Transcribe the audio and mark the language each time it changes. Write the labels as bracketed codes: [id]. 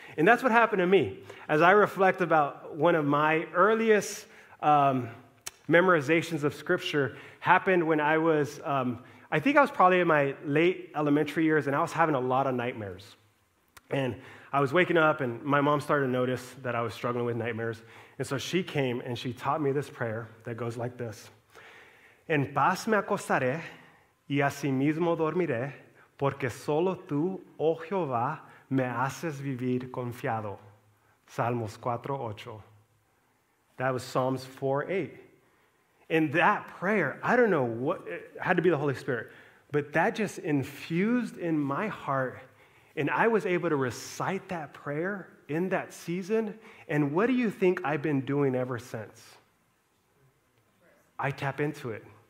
[en] And that's what happened to me. As I reflect about one of my earliest memorizations of scripture happened when I was, I think I was probably in my late elementary years, and I was having a lot of nightmares. And I was waking up, and my mom started to notice that I was struggling with nightmares. And so she came, and she taught me this prayer that goes like this. [es] En paz me acostaré, y así mismo dormiré, porque solo tú, oh Jehová, me haces vivir confiado. [en] Salmos 4:8. That was Psalms 4:8. In that prayer, I don't know what, it had to be the Holy Spirit, but that just infused in my heart, and I was able to recite that prayer in that season, and what do you think I've been doing ever since? I tap into it.